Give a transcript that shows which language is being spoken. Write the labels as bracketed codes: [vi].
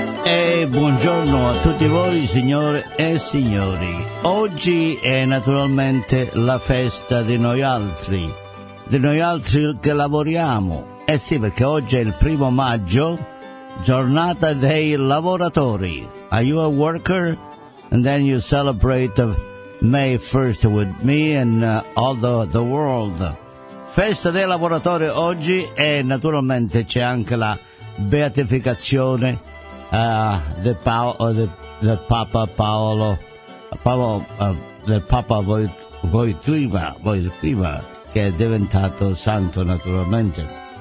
[it] E buongiorno a tutti voi, signore e signori. Oggi è naturalmente la festa di noi altri che lavoriamo. Eh sì, perché oggi è il 1° maggio, giornata dei lavoratori. [en] Are you a worker? And then you celebrate May 1st with me and all the world. [it] Festa dei lavoratori oggi e naturalmente c'è anche la beatificazione del Papa Voitriva, che è diventato santo naturalmente.